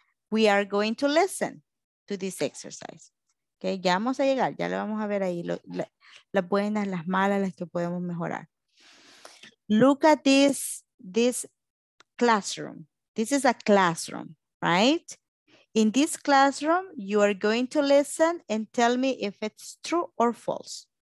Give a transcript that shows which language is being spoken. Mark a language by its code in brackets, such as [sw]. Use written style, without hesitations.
[en] We are going to listen to this exercise. [es] Okay, ya vamos a llegar, ya lo vamos a ver ahí, las buenas, las malas, las que podemos mejorar. [en] Look at this classroom. This is a classroom, right? In this classroom, you are going to listen and tell me if it's true or false.